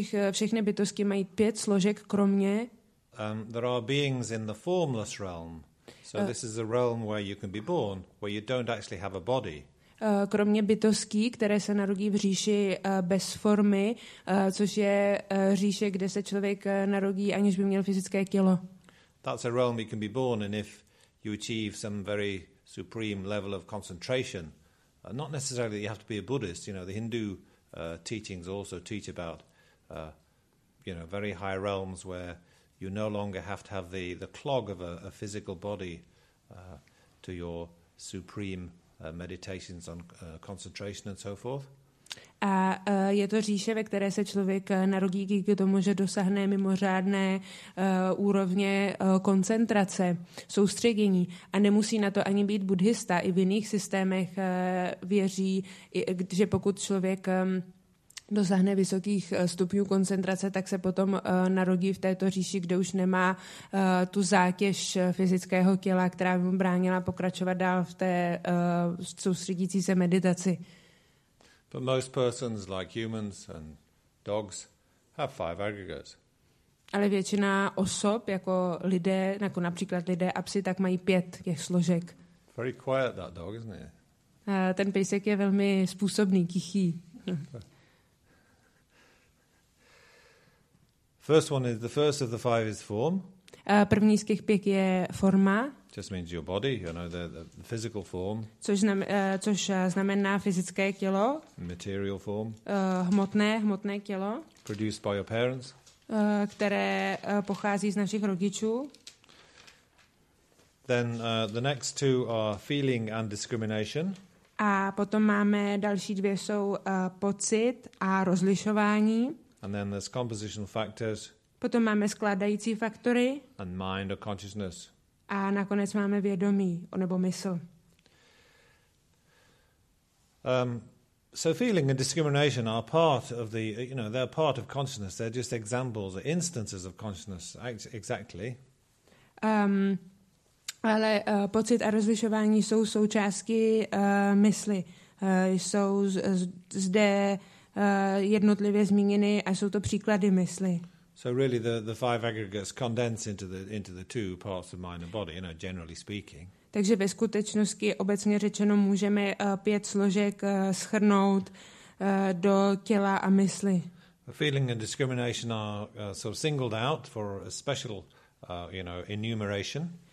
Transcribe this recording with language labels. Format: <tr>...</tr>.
<cs>všechny bytosti mají pět složek kromě</cs> <en>there are beings in the formless realm. So this is a realm where you can be born where you don't actually have a body.</en> <cs>Kromě bytostí, které se narodí v říši bez formy, což je říše, kde se člověk narodí, aniž by měl fyzické tělo.</cs> <en>That's a realm you can be born in if you achieve some very supreme level of concentration. Not necessarily that you have to be a Buddhist, you know, the Hindu teachings also teach about you know, very high realms where you no longer have to have the clog of a physical body to your supreme meditations on concentration and so forth.</en> <cs>A je to říše, ve které se člověk narodí díky tomu, že dosáhne mimořádné úrovně koncentrace, soustředění. A nemusí na to ani být buddhista. I v jiných systémech věří, že pokud člověk dosáhne vysokých stupňů koncentrace, tak se potom narodí v této říši, kde už nemá tu zátěž fyzického těla, která by mu bránila pokračovat dál v té soustředící se meditaci.</cs> <en>But most persons, like humans and dogs, have five aggregates.</en> <cs>Ale většina osob, jako lidé, jako například lidé a psi, tak mají pět těch složek.</cs> <en>Very quiet that dog, isn't it?</en> <cs>Ten pejsek je velmi způsobný, tichý.</cs> <en>First one is the first of the five is form.</en> <cs>První z těch pět je forma.</cs> <en>Just means your body, you know, the physical form.</en> <cs>Což znamená fyzické tělo.</cs> <en>Material form.</en> <cs>Hmotné tělo.</cs> <en>Produced by your parents.</en> <cs>Které pochází z našich rodičů.</cs> <en>Then the next two are feeling and discrimination.</en> <cs>A potom máme další dvě jsou pocit a rozlišování.</cs> <en>And then there's compositional factors.</en> <cs>Potom máme skládající faktory.</cs> <en>And mind or consciousness.</en> <cs>A nakonec máme vědomí, nebo mysl.</cs> <en>So feeling and discrimination are part of the, you know, they're part of consciousness. They're just examples, instances of consciousness, exactly.</en> <cs>Ale pocit a rozlišování jsou součástky mysli. Jsou zde jednotlivě zmíněny a jsou to příklady mysli.</cs> <en>So really the five aggregates condense into the two parts of mind and body, you know, generally speaking.</en> <cs>Takže ve skutečnosti obecně řečeno můžeme pět složek shrnout do těla a mysli.</cs> <en>A feeling and discrimination are sort of singled out for a special you know, enumeration.</en>